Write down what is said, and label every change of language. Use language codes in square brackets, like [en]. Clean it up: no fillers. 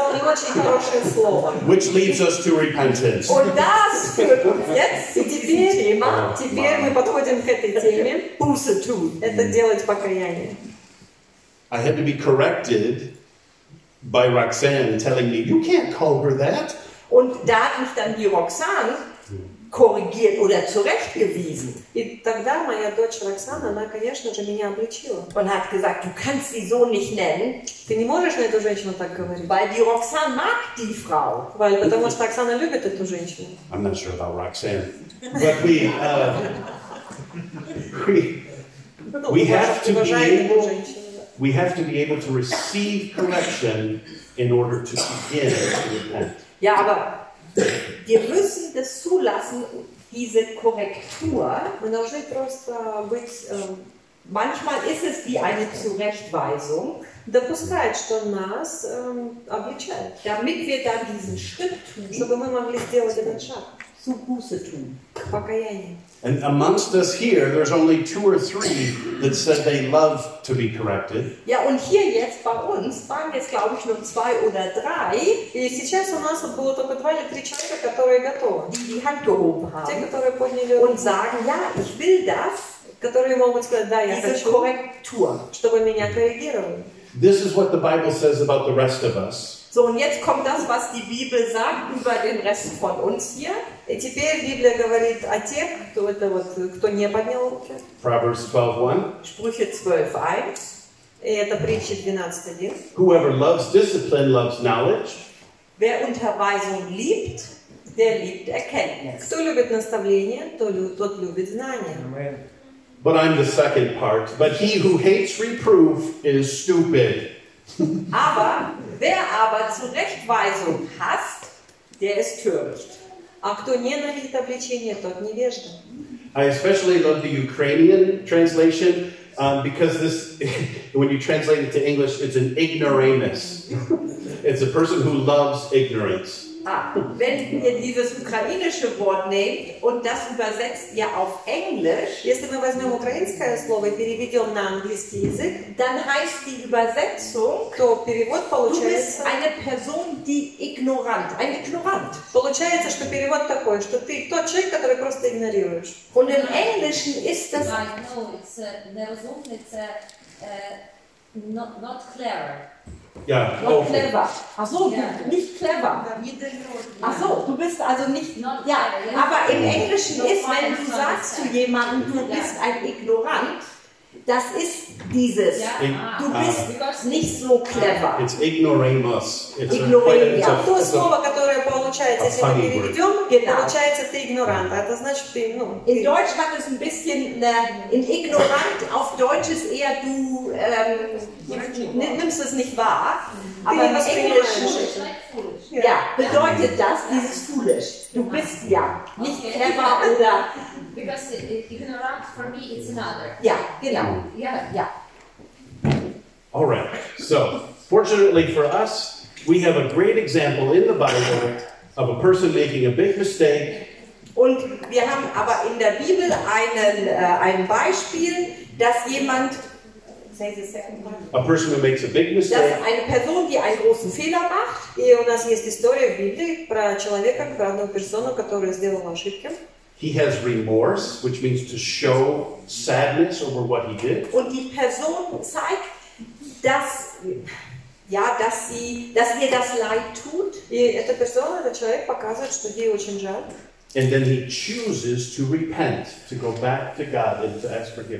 [en] Which leads us to repentance. [de] Und das führt uns jetzt zu diesem Thema. [ru] Теперь мы подходим к этой теме. [de] Buße tun. [ru] Это делать покаяние. [en] I had to be corrected by Roxanne telling me, you can't call her that. [de] Und da hat mich dann die Roxanne korrigiert oder zurechtgewiesen. [ru] И тогда моя дочь Роксана, она, конечно же, меня обличила. [de] Und hat gesagt, du kannst sie so nicht nennen. [ru] Ты не можешь на эту женщину так говорить. [de] Weil die Roxanne mag die Frau. Weil, [ru] потому что Роксана любит эту женщину. [en] I'm not sure about Roxanne. But we have to be able... We have to be able to receive correction in order to begin to repent. [de] Ja, aber wir müssen das zulassen, diese Korrektur. Man darf nicht [ru] просто быть. [de] Manchmal ist es wie eine Zurechtweisung. [ru] Допускает, что нас обличает. [de] Damit wir dann diesen Schritt tun. [ru] Чтобы мы могли сделать этот шаг. [de] zu Buße tun. [ru] Покаяние. [en] And amongst us here, there's only two or three that said they love to be corrected. [de] Ja, und hier jetzt bei uns waren jetzt glaube ich nur zwei oder drei. [ru] И сейчас у нас было только два или три человека, которые готовы. [de] Die Hand gehoben haben. [ru] Те, которые подняли руку. [de] Und sagen, ja, ich will das. [ru] Которые могут сказать, да, я хочу. [de] Diese Korrektur. [ru] Чтобы меня коррегировали. [en] This is what the Bible says about the rest of us. [de] So, und jetzt kommt das, was die Bibel sagt über den Rest von uns hier. [ru] Теперь Библия говорит о тех, кто это вот, кто не поднял руки. [en] Proverbs 12:1. [de] Sprüche 12:1. [ru] И это притча 12:1. [en] Whoever loves discipline loves knowledge. [de] Wer Unterweisung liebt, der liebt Erkenntnis. [ru] Кто любит наставление, тот любит знание. [en] Amen. But I'm the second part. But he who hates reproof is stupid. [de] Aber wer aber Zurechtweisung hasst, der ist töricht. [ru] А кто ненавидит обличение, тот невежда. [en] I especially love the Ukrainian translation because this, when you translate it to English, it's an ignoramus. It's a person who loves ignorance. [de] Wenn ihr dieses ukrainische Wort nehmt und das übersetzt ja auf Englisch, [ru] если мы возьмем украинское слово и переведем на английский язык, [de] dann heißt die Übersetzung, [ru] то перевод получается, [de] du bist eine Person, die ignorant, ein Ignorant. [ru] Получается, что перевод такой, что ты тот человек, который просто игнорируешь. [de] Und im Englischen ist das, [en] I know, it's [ru] неразумный, это [en] not clear. Yeah. Not clever. [de] Ach so, yeah. Nicht clever. Ach so, du bist also nicht. [en] Not [de] ja, [en] clever, yeah. [de] Aber im Englischen no ist, wenn du sagst zu jemandem, du bist ein Ignorant, das ist dieses. [en] Yeah. [de] Du bist nicht so clever. [en] It's ignoramus. It's ignoramus. [ru] А то слово, которое получается, если мы переведем, получается ты ignorant. Это значит, ты, ну. [de] In Deutsch hat es ein bisschen ne, in ignorant auf Deutsch ist eher du. Nimmst es nicht wahr, aber im Englischen ja, bedeutet das, dieses foolish. Du bist ja nicht okay. Clever oder. [en] Because ignorant for me it's another. [de] Ja, genau. [en] Yeah. [de] Ja. [en] All right. So, fortunately for us, we have a great example in the Bible of a person making a big mistake. [de] Und wir haben aber in der Bibel ein Beispiel, dass jemand. [en] A person who makes a big mistake. [de] Eine Person, die einen großen Fehler macht. [ru] И у нас есть история в Библии про человека, про одну персону, которая сделала ошибки. [en] He has remorse, which means to show sadness over what he did. [de] Und die Person zeigt, dass ihr das leid tut. [ru] И эта персона, этот человек показывает, что ей очень жаль. [en] And then he chooses to repent, to go back to God and to ask forgiveness.